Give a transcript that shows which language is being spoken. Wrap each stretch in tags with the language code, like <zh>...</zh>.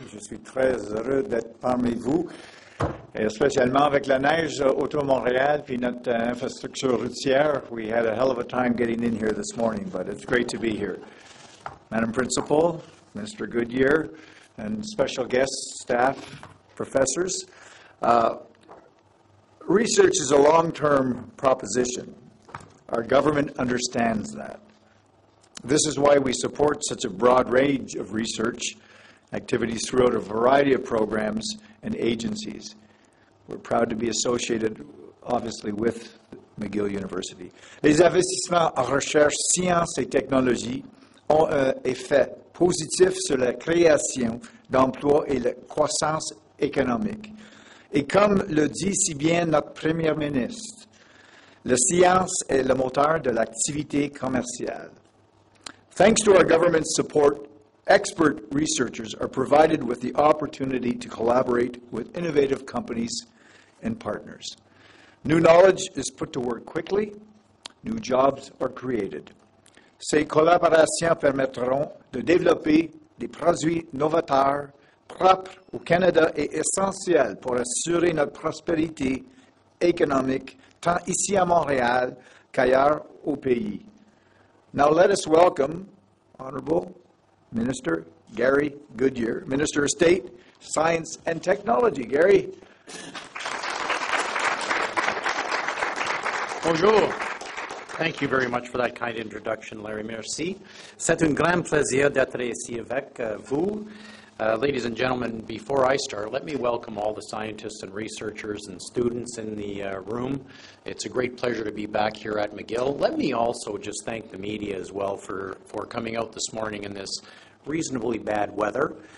<fr>Je suis très heureux d'être parmi vous, et spécialement avec la neige autour de Montréal puis notre infrastructure routière.</fr> <en>We had a hell of a time getting in here this morning, but it's great to be here. Madam Principal, Mr. Goodyear, and special guests, staff, professors, research is a long-term proposition. Our government understands that. This is why we support such a broad range of research activities throughout a variety of programs and agencies. We're proud to be associated, obviously, with McGill University.</en> <fr>Les investissements en recherche, sciences et technologies ont un effet positif sur la création d'emplois et la croissance économique. Et comme le dit si bien notre premier ministre, la science est le moteur de l'activité commerciale.</fr> <en>Thanks to our government's support, expert researchers are provided with the opportunity to collaborate with innovative companies and partners. New knowledge is put to work quickly, new jobs are created.</en> <fr>Ces collaborations permettront de développer des produits novateurs propres au Canada et essentiels pour assurer notre prospérité économique tant ici à Montréal qu'ailleurs au pays.</fr> <en>Now let us welcome Honorable Minister Gary Goodyear, Minister of State, Science and Technology. Gary.</en> <fr>Bonjour.</fr> <en>Thank you very much for that kind introduction, Larry.</en> <fr>Merci. C'est un grand plaisir d'être ici avec vous.</fr> <en>Ladies and gentlemen, before I start, let me welcome all the scientists and researchers and students in the room. It's a great pleasure to be back here at McGill. Let me also just thank the media as well for coming out this morning in this reasonably bad weather.</en>